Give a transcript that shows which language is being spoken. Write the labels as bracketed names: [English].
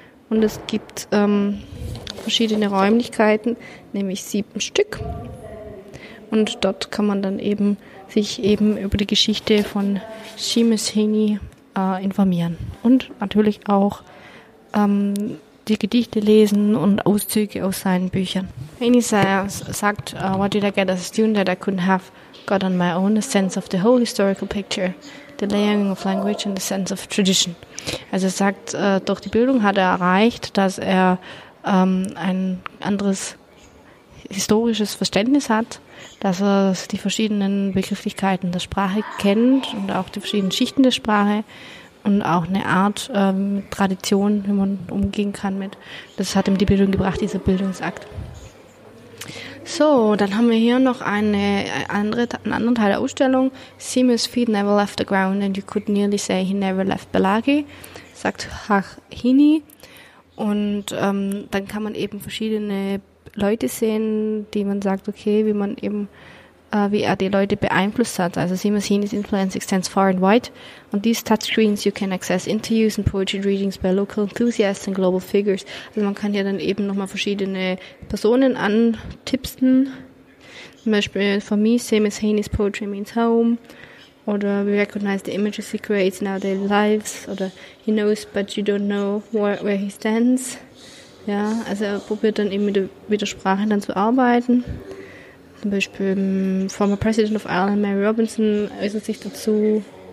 [German] Und es gibt verschiedene Räumlichkeiten, nämlich 7 Stück. Und dort kann man dann eben sich eben über die Geschichte von Seamus Heaney informieren. Und natürlich auch die Gedichte lesen und Auszüge aus seinen Büchern. Heaney sagt, [English] what did I get as a student that I couldn't have got on my own? A sense of the whole historical picture, the layering of language and the sense of tradition. [German] Also sagt, durch die Bildung hat er erreicht, dass er ein anderes historisches Verständnis hat, dass er die verschiedenen Begrifflichkeiten der Sprache kennt und auch die verschiedenen Schichten der Sprache und auch eine Art Tradition, wie man umgehen kann mit. Das hat ihm die Bildung gebracht, dieser Bildungsakt. So, dann haben wir hier noch einen anderen Teil der Ausstellung. [English] Seamus' feet never left the ground and you could nearly say he never left Belagi, [German] sagt Hachini. Und dann kann man eben verschiedene Leute sehen, die man sagt, okay, wie man eben, wie er die Leute beeinflusst hat. Also [English] Seamus' Heaney's influence extends far and wide. On these touchscreens you can access interviews and poetry readings by local enthusiasts and global figures. [German] Also man kann hier dann eben nochmal verschiedene Personen antipsen. Zum Beispiel, [English] for me, Seamus' Heaney's poetry means home. [German] Oder [English] we recognize the images he creates in our daily lives. [German] Oder [English] he knows, but you don't know where he stands. [German] Ja, also er probiert dann eben mit der Sprache dann zu arbeiten. Zum Beispiel [English] former President of Ireland, [German] Mary Robinson, äußert sich dazu.